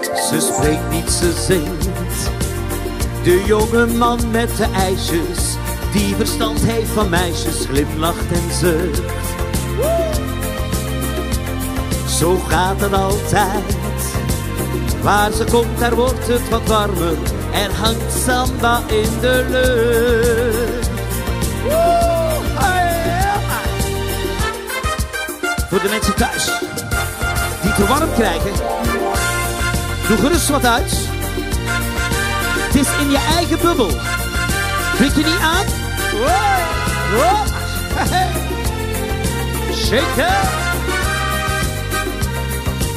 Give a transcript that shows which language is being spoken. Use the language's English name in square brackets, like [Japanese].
[Dutch] Ze spreekt niet, ze zingt. De jonge man met de ijsjes, die verstand heeft van meisjes, glimlacht en zucht. Zo gaat het altijd. Waar ze komt, daar wordt het wat warmer. Er hangt samba in de lucht. Oh, yeah. Voor de mensen thuis, die te warm krijgen, doe gerust wat uit. Het is in je eigen bubbel. Vind je niet aan? Wow. Wow. [English] Hey. Shake it.